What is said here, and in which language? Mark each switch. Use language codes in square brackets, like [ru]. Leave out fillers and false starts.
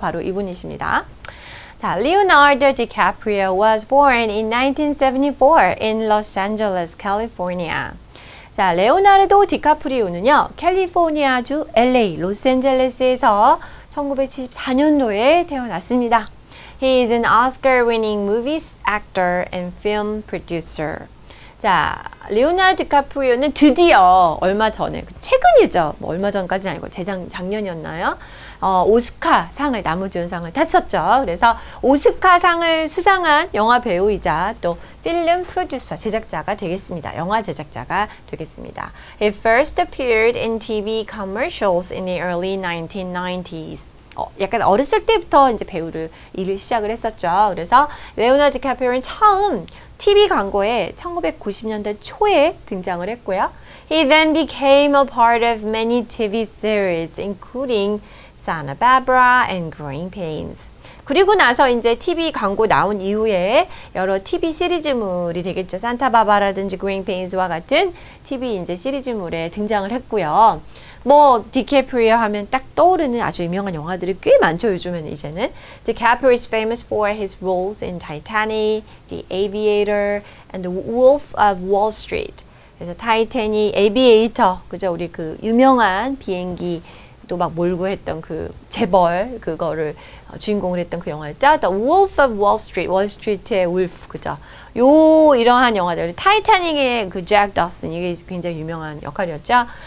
[ko] 바로 이분이십니다. 자, [en] Leonardo DiCaprio was born in 1974 in Los Angeles, California. [ko] 자, 레오나르도 디카프리오는요, 캘리포니아주 LA, 로스앤젤레스에서 1974년도에 태어났습니다. [en] He is an Oscar-winning movie actor and film producer. [ko] 자, 레오나르도 디카프리오는 드디어 얼마 전에, 최근이죠. 뭐 얼마 전까지는 아니고 작년이었나요? 오스카 상을, 남우주연상을 탔었죠. 그래서 오스카 상을 수상한 영화 배우이자 또 필름 프로듀서, 제작자가 되겠습니다. 영화 제작자가 되겠습니다. [en] He first appeared in TV commercials in the early 1990s. [ko] 약간 어렸을 때부터 이제 배우를 일을 시작을 했었죠. 그래서 레오나르도 디카프리오는 처음 TV 광고에 1990년대 초에 등장을 했고요. [en] He then became a part of many TV series, including Santa Barbara and Growing Pains. [ko] 그리고 나서 이제 TV 광고 나온 이후에 여러 TV 시리즈물이 되겠죠. 산타바바라든지 Growing Pains와 같은 TV 이제 시리즈물에 등장을 했고요. 뭐 디카프리오 하면 딱 떠오르는 아주 유명한 영화들이 꽤 많죠. 요즘에는 이제는 [en] DiCaprio is famous for his roles in Titanic, The Aviator, and The Wolf of Wall Street. [ko] 그래서 타이타닉, 에비에이터, 그죠? 우리 그 유명한 비행기 또 막 몰고 했던 그 재벌 그거를 주인공을 했던 그 영화였죠. The Wolf of Wall Street, 월스트리트의 울프, 그죠? 요 이러한 영화들, 타이타닉의 그 잭 도슨, 이게 굉장히 유명한 역할이었죠.